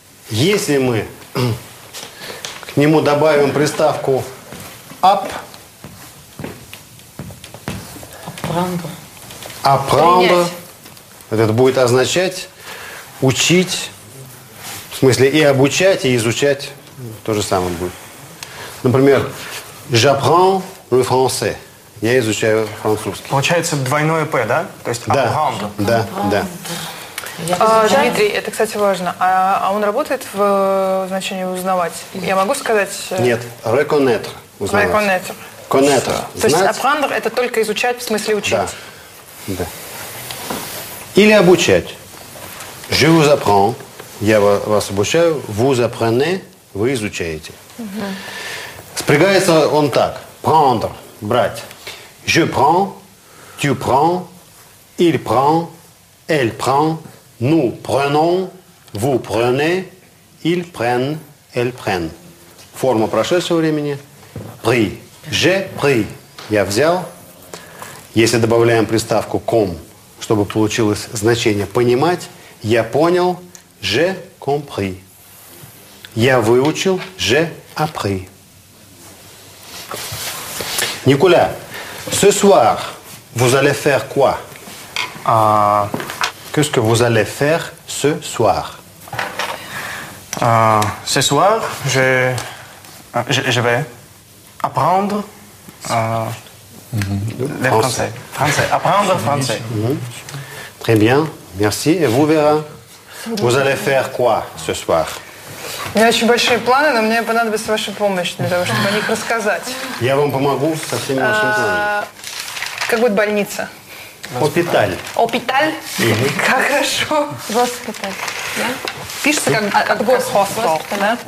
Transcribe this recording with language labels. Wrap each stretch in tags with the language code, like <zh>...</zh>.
<ru>Если мы к нему добавим приставку ap, apprendre, это будет означать учить, в смысле и обучать, и изучать, то же самое будет.</ru> <fr>Например, j'apprends le français.</fr> <ru>Я изучаю французский. Получается двойное «п», да? То есть да.</ru> <fr>«apprendre».</fr> <ru>Да, да. Дмитрий, это, кстати, важно. А он работает в значении «узнавать»? Я могу сказать? Нет, «reconnaître» – «узнавать».</ru> <fr>«Reconnaître». «Connaître» –</fr> <ru>«знать». То есть «apprendre» – это только изучать, в смысле учить. Да, да. Или обучать.</ru> <fr>«Je vous apprends»</fr> <ru>– я вас обучаю.</ru> <fr>«Vous apprenez»</fr> <ru>– вы изучаете. Спрягается он так. Prendre – брать.</ru> <fr>Je prends, tu prends, il prend, elle prend, nous prenons, vous prenez, ils prennent, elles prennent.</fr> <ru>Форма прошедшего времени.</ru> <fr>Pris. J'ai pris.</fr> <ru>Я взял. Если добавляем приставку com, чтобы получилось значение понимать, я понял.</ru> <fr>J'ai compris.</fr> <ru>Я выучил.</ru> <fr>J'ai appris. Николя, ce soir, vous allez faire quoi? Qu'est-ce que vous allez faire ce soir? Ce soir, je vais apprendre le français. Apprendre français. Très bien, merci. Et vous, Vera, vous allez faire quoi ce soir?</fr> <ru>У меня очень большие планы, но мне понадобится ваша помощь для того, чтобы о них рассказать. Я вам помогу со всеми вашими планами. Как будет больница? Опиталь. Опиталь? Угу. Как хорошо. Госпиталь. Пишется как госпиталь, да?</ru>